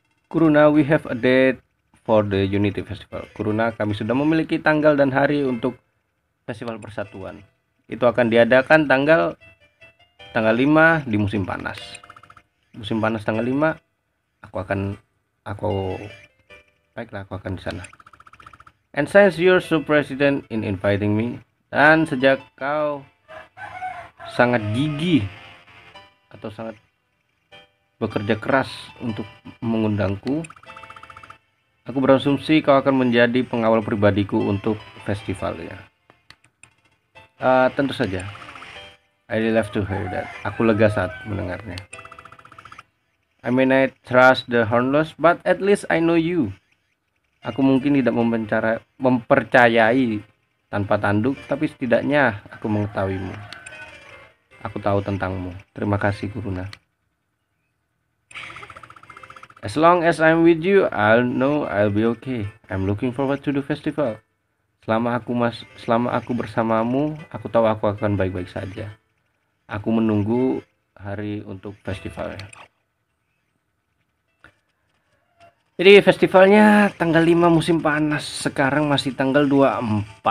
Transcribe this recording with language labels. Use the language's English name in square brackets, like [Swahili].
[English] Kuruna, we have a date for the Unity Festival. [Indonesian] Kuruna, kami sudah memiliki tanggal dan hari untuk Festival Persatuan. Itu akan diadakan tanggal 5 di musim panas. Musim panas tanggal 5, baiklah, aku akan di sana. [English] And since you're so president in inviting me, [Indonesian] dan sejak kau sangat gigih atau sangat bekerja keras untuk mengundangku, aku berasumsi kau akan menjadi pengawal pribadiku untuk festivalnya. Tentu saja. [English] I love to hear that. [Indonesian] Aku lega saat mendengarnya. [English] I mean, I trust the hornless, but at least I know you. [Indonesian] Aku mungkin tidak mempercayai tanpa tanduk, tapi setidaknya aku mengetahuimu. Aku tahu tentangmu. Terima kasih, Kuruna. [English] As long as I'm with you, I'll know I'll be okay. I'm looking forward to the festival. [Indonesian] Selama aku bersamamu, aku tahu aku akan baik-baik saja. Aku menunggu hari untuk festivalnya. Jadi festivalnya tanggal 5 musim panas, sekarang masih tanggal 24.